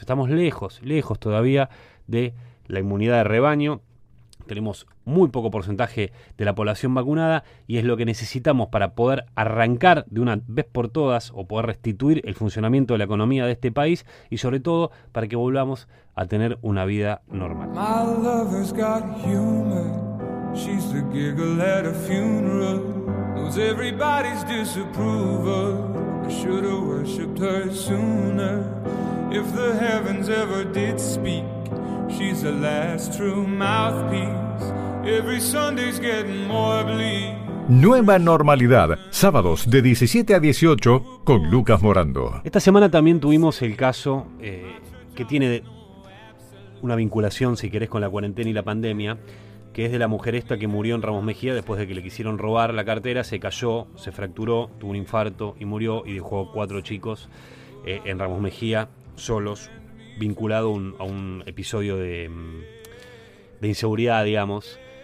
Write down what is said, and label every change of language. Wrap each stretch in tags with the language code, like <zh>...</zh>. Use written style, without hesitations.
<es>Estamos lejos, lejos todavía de la inmunidad de rebaño. Tenemos muy poco porcentaje de la población vacunada y es lo que necesitamos para poder arrancar de una vez por todas o poder restituir el funcionamiento de la economía de este país y sobre todo para que volvamos a tener una vida normal.</es> <en>My lover's got humor. She's the giggle at a funeral. Knows everybody's disapproval. I should have worshipped her sooner. If the heavens ever did speak, she's the last true mouthpiece. Every Sunday's getting more bleak.</en> <es>Nueva normalidad, sábados de 17 a 18 con Lucas Morando. Esta semana también tuvimos el caso que tiene una vinculación, si querés, con la cuarentena y la pandemia, que es de la mujer esta que murió en Ramos Mejía después de que le quisieron robar la cartera, se cayó, se fracturó, tuvo un infarto y murió, y dejó 4 chicos en Ramos Mejía solos, vinculado a un episodio de inseguridad, digamos.</es>